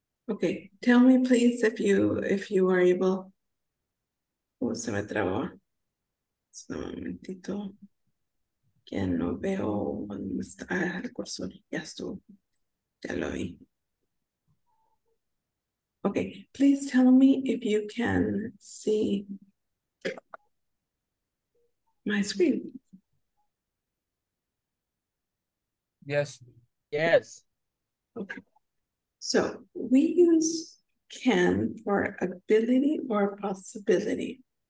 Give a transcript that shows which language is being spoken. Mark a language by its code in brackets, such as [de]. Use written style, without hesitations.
[en] Okay, tell me please if you are able. [es] Oh, se me trabó. Un momentito. Que no veo dónde está el cursor. Ya estuvo. Ya lo vi. [en] Okay, please tell me if you can see my screen. Yes. Yes. Okay. So we use can for ability or possibility.